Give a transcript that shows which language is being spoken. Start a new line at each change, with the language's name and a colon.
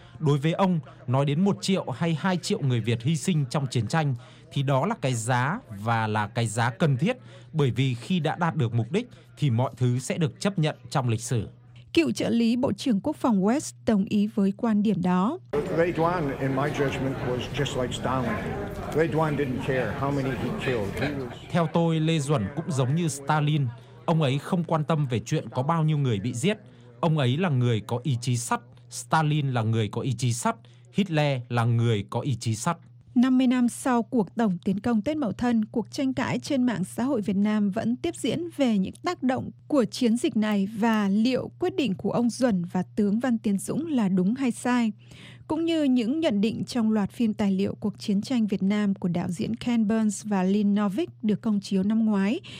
Vietnamese: Đối với ông, nói đến 1 triệu hay 2 triệu người Việt hy sinh trong chiến tranh thì đó là cái giá và là cái giá cần thiết, bởi vì khi đã đạt được mục đích thì mọi thứ sẽ được chấp nhận trong lịch sử. Cựu trợ lý Bộ trưởng Quốc phòng West đồng ý với quan điểm đó.
English: Lê Duẩn, in my judgment, was just like Stalin. Lê Duẩn didn't care how many he killed.
Vietnamese: Theo tôi, Lê Duẩn cũng giống như Stalin. Ông ấy không quan tâm về chuyện có bao nhiêu người bị giết. Ông ấy là người có ý chí sắt. Stalin là người có ý chí sắt. Hitler là người có ý chí sắt. 50 năm sau cuộc tổng tiến công Tết Mậu Thân, cuộc tranh cãi trên mạng xã hội Việt Nam vẫn tiếp diễn về những tác động của chiến dịch này và liệu quyết định của ông Duẩn và tướng Văn Tiến Dũng là đúng hay sai, cũng như những nhận định trong loạt phim tài liệu cuộc chiến tranh Việt Nam của đạo diễn Ken Burns và Lynn Novick được công chiếu năm ngoái.